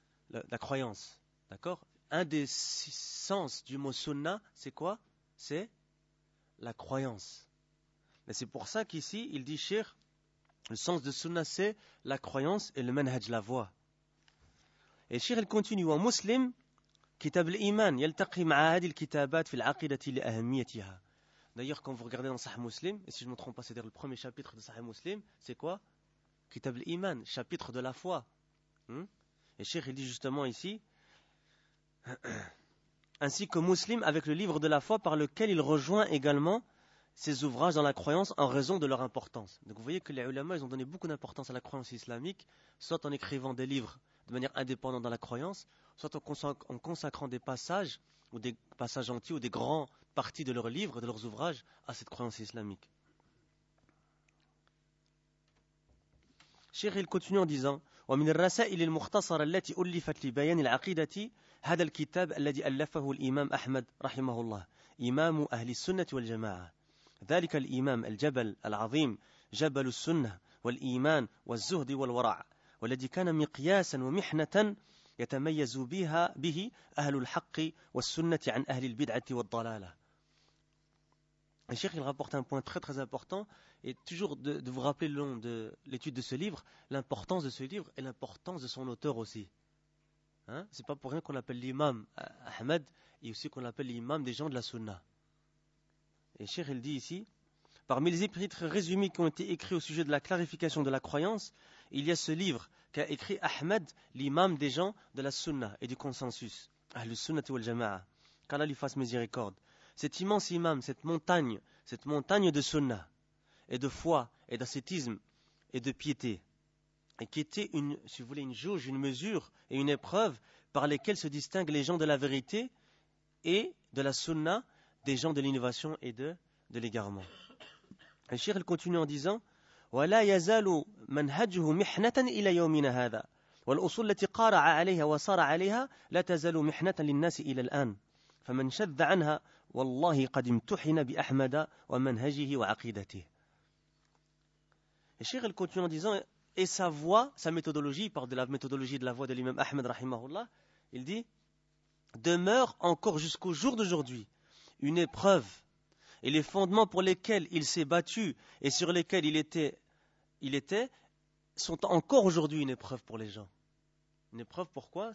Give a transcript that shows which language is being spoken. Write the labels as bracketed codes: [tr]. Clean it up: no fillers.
[fr] La croyance. D'accord ? Un des 6 sens du mot sunna, c'est quoi ? C'est la croyance. Mais c'est pour ça qu'ici, il dit Cheikh, le sens de sunna, c'est la croyance et le manhaj, la voie. Et Cheikh, il continue, un musulman. [ar] كتاب الإيمان يلتقي مع هذه الكتابات في العقيدة لأهميتها. [fr] D'ailleurs, quand vous regardez dans Sahih Muslim, et si je ne me trompe pas, c'est-à-dire le premier chapitre de Sahih Muslim, c'est quoi? كتاب الإيمان, chapitre de la foi. Et Cheikh, il dit justement ici, ainsi que Muslim avec le livre de la foi par lequel il rejoint également ses ouvrages dans la croyance en raison de leur importance. Donc vous voyez que les ulama, ils ont donné beaucoup d'importance à la croyance islamique, soit en écrivant des livres de manière indépendante dans la croyance, soit en consacrant des passages, ou des passages entiers, ou des grandes parties de leurs livres, de leurs ouvrages, à cette croyance islamique. [ar] Cheikh, [fr] il continue en disant, [ar] « ومن الرسائل المختصرة التي أُلِّفت لبيان العقيدة هذا الكتاب الذي ألفه الإمام أحمد رحمه الله إمام أهل السنة والجماعة. ذلك الإمام الجبل العظيم جبل السنة والإيمان والزهد والورع، والذي كان مقياسا ومحنة يتميز بها به أهل الحق والسنة عن أهل البدعة والضلالة. [fr] Cheikh, il rapporte un point très très important, et toujours de vous rappeler le long de l'étude de ce livre, l'importance de ce livre et l'importance de son auteur aussi. Hein? Ce n'est pas pour rien qu'on l'appelle l'imam Ahmed, et aussi qu'on l'appelle l'imam des gens de la Sunna. Et Cheikh, il dit ici, « Parmi les épîtres résumés qui ont été écrits au sujet de la clarification de la croyance, il y a ce livre qu'a écrit Ahmed, l'imam des gens de la Sunna et du consensus, le Sunna wal Jama'a, qu'Allah lui fasse miséricorde. Cet immense imam, cette montagne de sunnah, et de foi, et d'ascétisme, et de piété, et qui était une, si vous voulez, une jauge, une mesure, et une épreuve par lesquelles se distinguent les gens de la vérité et de la sunnah des gens de l'innovation et de l'égarement. [ar] Et Cheikh, [fr] il continue en disant, [ar] وَلَا يَزَالُ مَنْهَجُهُ مِحْنَةً إِلَى يَوْمِنَ هَذَا وَالْأُصُولُ الَّتِي قَارَعَ عَلَيْهَا وَصَارَ عَلَيْهَا لَا تَزَالُ مِحْنَةً لِلنَّاسِ إِلَى الْآنِ فَمَنْ شَذَّ عَنْهَا وَاللَّهِ قَدْ امْتُحِنَ بِأَحْمَدَ وَمَنْهَجِهِ وَعَقِيدَتِهِ. [fr] Cheikh, il continue en disant, et sa voix, sa méthodologie, il parle de la méthodologie de la voix de l'imam Ahmed, rahimahullah, il dit, demeure encore jusqu'au jour d'aujourd'hui une épreuve, et les fondements pour lesquels il s'est battu et sur lesquels il était, sont encore aujourd'hui une épreuve pour les gens. Une épreuve pourquoi?